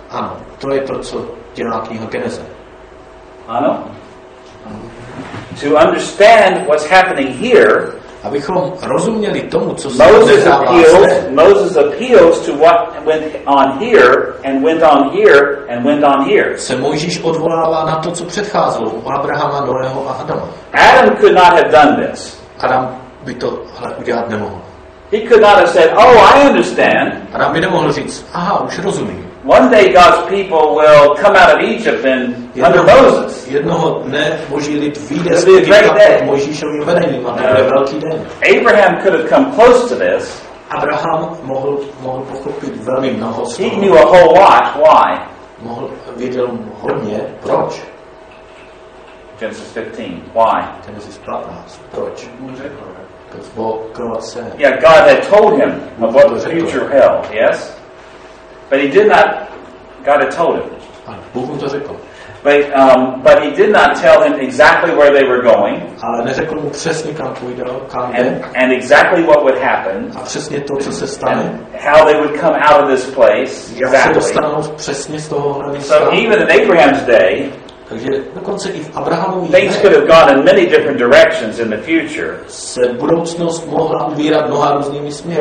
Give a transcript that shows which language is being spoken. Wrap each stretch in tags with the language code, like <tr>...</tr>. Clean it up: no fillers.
<cs>Ano, to je to, co dělá kniha Genesis.</cs> <en>Ano. To understand what's happening here,</en> <cs>abychom rozuměli tomu, co</cs> <en>Moses appeals. Moses appeals to what went on here and went on here and went on here.</en> <cs>Se Mojžíš odvolává na to, co předcházelo u Abrahama, Noého a Adama.</cs> <en>Adam could not have done this.</en> <cs>Adam by to udělat nemohl.</cs> <en>He could not have said, "Oh, I understand."</en> <cs>Adam by nemohl říct, "Aha, už rozumím."</cs> <en>One day God's people will come out of Egypt and under Moses.</en> <cs>Jednoho dne Boží lid vyjde z Egypta pod Mojžíšovým vedením, a to bude velký den.</cs> <en>Abraham could have come close to this.</en> <cs>Abraham mohl pochopit velmi mnoho z toho.</cs> <en>He knew a whole lot. Why?</en> <cs>Věděl hodně. Proč?</cs> <en>Genesis 15. Why?</en> <cs>Genesis 15. Proč?</cs> <en>Because what God said. Yeah, God had told him about the future hell. Yes. But he did not. God had told him.</en> <cs>Bůh mu to řekl.</cs> <en>But he did not tell him exactly where they were going.</en> <cs>Ale neřekl mu přesně, kam půjdou.</cs> <en>And exactly what would happen.</en> <cs>A přesně to, co se stane.</cs> <en>How they would come out of this place.</en> <cs>Jak se dostanou přesně z toho místa.</cs> <en>So even in Abraham's day.</en> <cs>Takže dokonce i v Abrahamově dne.</cs> <en>Things could have gone in many different directions in the future.</en> <cs>Se budoucnost mohla ubírat mnoha různými směry.</cs>